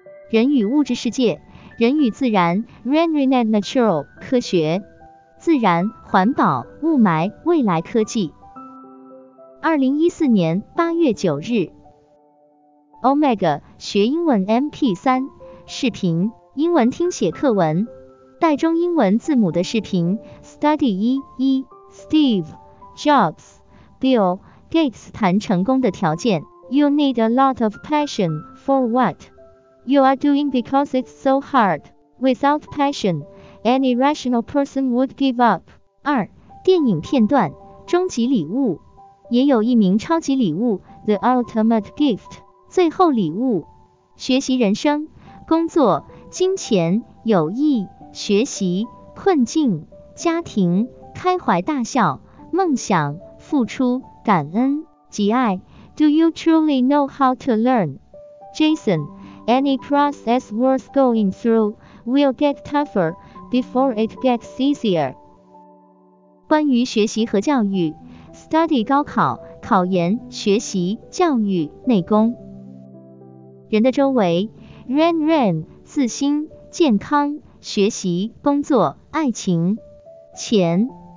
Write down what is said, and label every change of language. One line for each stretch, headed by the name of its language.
Chinese: 人与物质世界，人与自然 ，
English: renewed natural
Chinese: 科学，自然、环保、雾霾、未来科技。 2014年8月9日。Omega 学英文 MP3 视频，英文听写课文，带中英文字母的视频。 Study 1 Steve Jobs Bill Gates 谈成功的条件。
English: You need a lot of passion for what you are doing because it's so hard. Without passion, any rational person would give up.
Chinese: 二，电影片段，终极礼物，也有一名超级礼物 ，The Ultimate Gift， 最后礼物。学习人生、工作、金钱、友谊、学习、困境、家庭、开怀大笑、梦想、付出、感恩、及爱。
English: Do you truly know how to learn? Jason, any process worth going through will get tougher before it gets easier.
Chinese: 关于学习和教育 ,study 高考、考研、学习、教育、内功。人的周围 ,ran, 自心、健康、学习、工作、爱情、钱。